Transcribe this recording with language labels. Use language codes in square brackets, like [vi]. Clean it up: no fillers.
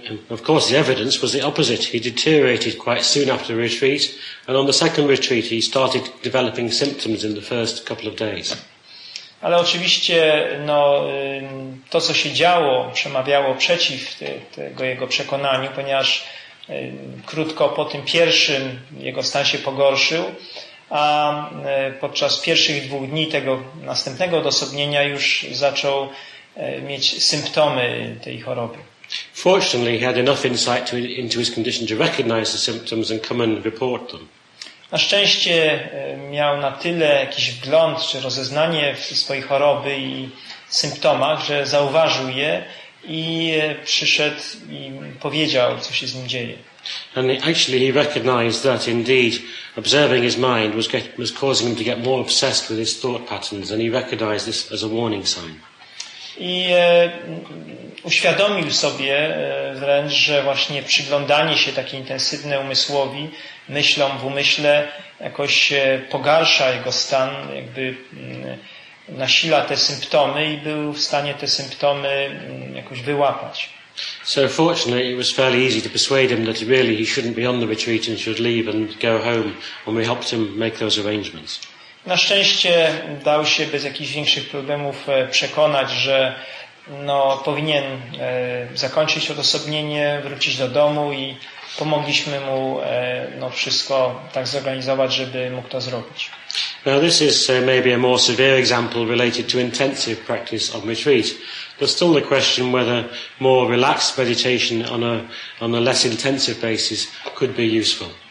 [en] Of course the evidence was the opposite. He deteriorated quite soon after the retreat, and on the second retreat he started developing symptoms in the first couple of days. [pl] Ale oczywiście no, to co się działo przemawiało przeciw tego jego przekonaniu, ponieważ krótko po tym pierwszym jego stan się pogorszył, a podczas pierwszych 2 dni tego następnego odosobnienia już zaczął mieć symptomy tej choroby. [en] Fortunately, he had enough insight into his condition to recognize the symptoms and come and report them. [pl] Na szczęście miał na tyle jakiś wgląd czy rozeznanie w swojej choroby i symptomach, że zauważył je i przyszedł i powiedział, co się z nim dzieje. [en] And actually he recognized that indeed observing his mind was causing him to get more obsessed with his thought patterns, and he recognized this as a warning sign. [pl] I uświadomił sobie wręcz, że właśnie przyglądanie się takie intensywne umysłowi, myślom w umyśle, jakoś pogarsza jego stan, jakby nasila te symptomy, i był w stanie te symptomy jakoś wyłapać. [en] So fortunately it was fairly easy to persuade him that really he shouldn't be on the retreat and should leave and go home when we helped him make those arrangements. [pl] Na szczęście dał się bez jakichś większych problemów przekonać, że no, powinien zakończyć odosobnienie, wrócić do domu, i pomogliśmy mu no, wszystko tak zorganizować, żeby mógł to zrobić. [en] Now this is maybe a more severe example related to intensive practice of retreat. There's still the question whether more relaxed meditation on a less intensive basis could be useful.